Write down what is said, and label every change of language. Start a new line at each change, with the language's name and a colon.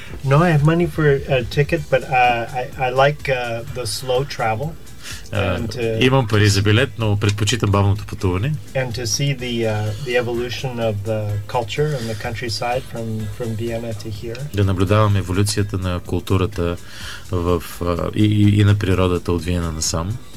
English: No, I have money for a ticket, but I like the slow travel.
Bulgarian: Имам пари за билет, но предпочитам бавното пътуване.
English: And to see the evolution of the culture and the countryside from Vienna to here.
Bulgarian: Да наблюдавам еволюцията на културата в и на природата от Виена насам.